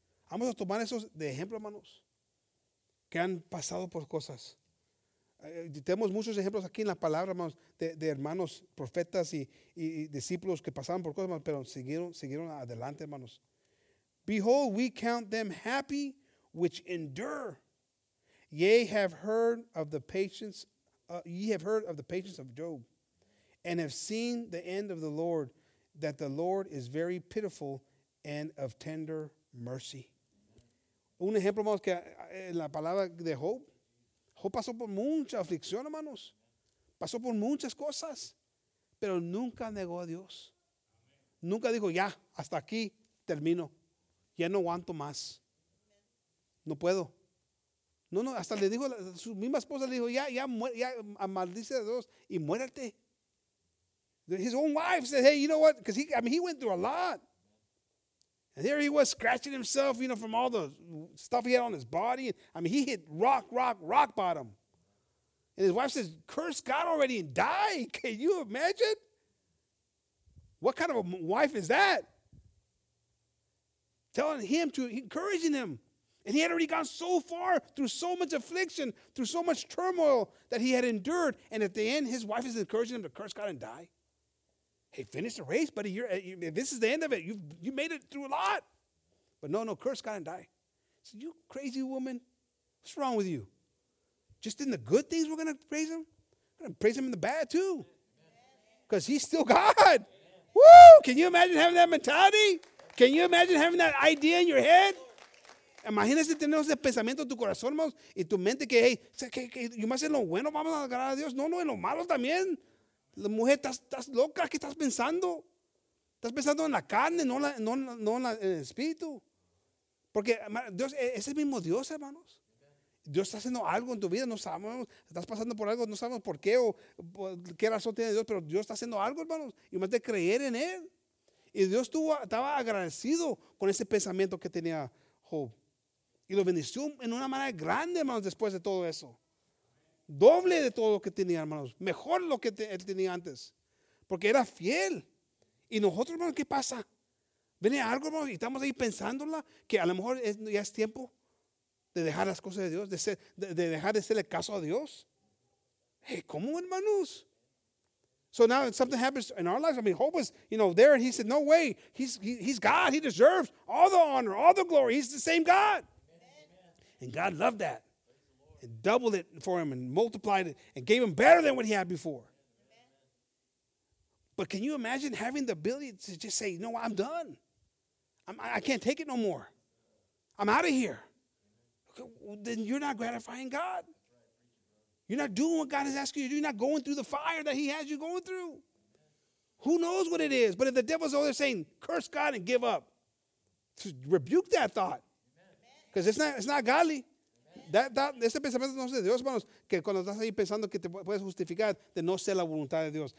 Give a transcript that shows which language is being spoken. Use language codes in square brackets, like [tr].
[es] Vamos a tomar esos de ejemplo, hermanos, que han pasado por cosas. Tenemos muchos ejemplos aquí en la palabra, hermanos, de hermanos, profetas y discípulos que pasaron por cosas, hermanos, pero siguieron adelante, hermanos. [en] Behold, we count them happy which endure. Ye have heard of the patience of Job, and have seen the end of the Lord, that the Lord is very pitiful and of tender mercy. Un ejemplo, hermanos, que en la palabra de Job. Job pasó por mucha aflicción, hermanos. Pasó por muchas cosas, pero nunca negó a Dios. Nunca dijo, ya, hasta aquí termino. Ya no aguanto más. No puedo. No, hasta le dijo, su misma esposa le dijo, ya, maldice a Dios y muérete. His own wife said, hey, you know what? Because he went through a lot. And there he was scratching himself, you know, from all the stuff he had on his body. I mean, he hit rock bottom. And his wife says, curse God already and die. Can you imagine? What kind of a wife is that? Telling him to, encouraging him. And he had already gone so far through so much affliction, through so much turmoil that he had endured. And at the end, his wife is encouraging him to curse God and die. Hey, finish the race, buddy. This is the end of it. You made it through a lot. But no, curse God and die. So you crazy woman, what's wrong with you? Just in the good things we're going to praise him? We're going to praise him in the bad too. Because he's still God. Woo! Can you imagine having that mentality? Can you imagine having that idea in your head? [es] Imagínese tener ese pensamiento en tu corazón, hermanos, y tu mente que, hey, yo más en lo bueno vamos a agradar a Dios. No, en lo malo también. La mujer, estás loca, ¿qué estás pensando? Estás pensando en la carne, no en el espíritu. Porque Dios, es el mismo Dios, hermanos. Dios está haciendo algo en tu vida, no sabemos. Estás pasando por algo, no sabemos por qué o qué razón tiene Dios, pero Dios está haciendo algo, hermanos. Y más de creer en Él. Y Dios estaba agradecido con ese pensamiento que tenía Job. Y lo bendició en una manera grande, hermanos, después de todo eso. Doble de todo lo que tenía, hermanos. Mejor lo que él tenía antes. Porque era fiel. Y nosotros, hermanos, ¿qué pasa? Viene algo, hermanos, y estamos ahí pensándola, que a lo mejor ya es tiempo de dejar las cosas de Dios, de dejar de hacerle caso a Dios. Hey, ¿cómo, hermanos? [en] So now something happens in our lives. I mean, Job was, you know, there, and he said, no way. He's God. He deserves all the honor, all the glory. He's the same God. Amen. And God loved that. And doubled it for him and multiplied it and gave him better than what he had before. But can you imagine having the ability to just say, you know what, I'm done. I can't take it no more. I'm out of here. Okay, well, then you're not gratifying God. You're not doing what God is asking you to do. You're not going through the fire that he has you going through. Who knows what it is? But if the devil's over there saying, curse God and give up, to rebuke that thought. Because it's not godly. [es] Ese pensamiento no es de Dios, hermanos, que cuando estás ahí pensando que te puedes justificar de no ser la voluntad de Dios.